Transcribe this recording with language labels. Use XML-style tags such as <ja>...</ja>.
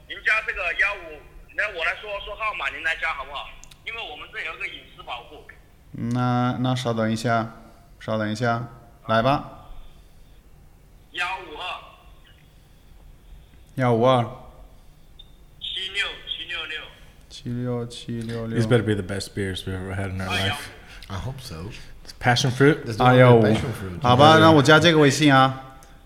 <zh>加这个幺五，来我来说说号码，您来加好不好？因为我们这有个隐私保护。那稍等一下，来吧。幺五二。幺五二。七六六。七六七六六。</zh> <en>This better be the best beers we've ever had in our life. I hope so. It's passion fruit. This is the passion fruit.</en> <zh>好吧，那我加这个微信啊。</zh>